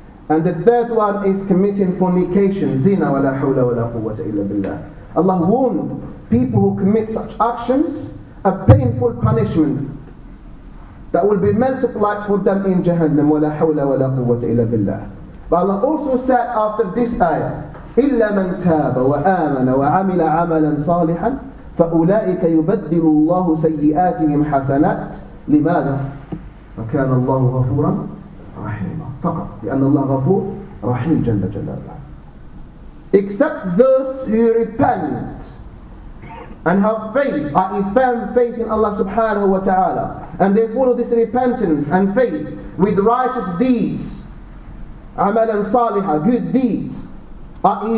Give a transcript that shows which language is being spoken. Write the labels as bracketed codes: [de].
[en] And the third one is committing fornication, zina, wa la hawla wa la quwwata illa billah. Allah warned people who commit such actions a painful punishment that will be multiplied for them in Jahannam, wa la hawla wa la quwwata illa billah. But Allah also said after this ayah, [ar] إِلَّا مَنْ تَابَ وَآمَنَ وَعَمِلَ عَمَلًا صَالِحًا فَأُولَٰئِكَ يُبَدِّلُ اللَّهُ سَيِّئَاتِهِمْ حَسَنَاتٍ لِمَاذَا فَكَانَ اللَّهُ غَفُورًا رَحِيمًا. فقط لأن الله غفور رحيم جل جلاله. [en] Except those who repent and have faith, i.e. firm faith in Allah subhanahu wa ta'ala, and they follow this repentance and faith with righteous deeds, [ar] عَمَلًا صَالِحًا, [en] good deeds, i.e.